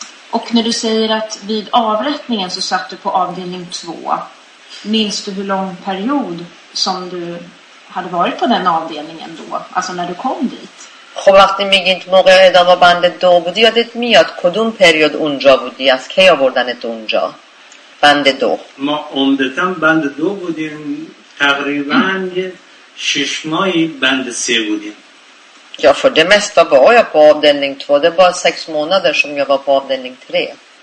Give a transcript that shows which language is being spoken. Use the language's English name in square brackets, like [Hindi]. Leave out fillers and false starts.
[Swedish] Och när du säger att vid avrättningen så satt du på avdelning 2, minns du hur lång period som du hade varit på den avdelningen då, alltså när du kom dit? [Persian] خب وقتی میگی تو موقع اعدام و بندت دو بودی یادت میاد کدوم پریود اونجا بودی از کی آوردنت اونجا بند دو ما عمدتاً بند دو بودیم تقریباً 6 ماهی بند 3 بودیم. [Swedish] Ja, för det mesta var jag på avdelning 2. Det var 6 månader som jag var på avdelning 3.